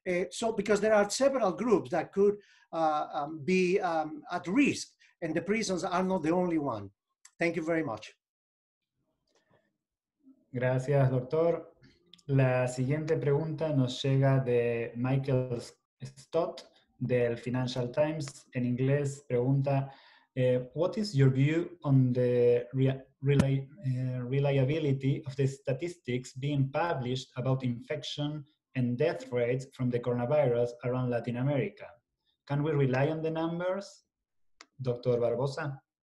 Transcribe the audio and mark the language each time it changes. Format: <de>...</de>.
<en>So because there are several groups that could be at risk, and the prisons are not the only one. Thank you very much.</en> <es>Gracias, doctor. La siguiente pregunta nos llega de Michael Stott del Financial Times.</es> <en>En inglés pregunta, what is your view on the reliability of the statistics being published about infection and death rates from the coronavirus around Latin America? Can we rely on the numbers? Dr. Barbosa.</en>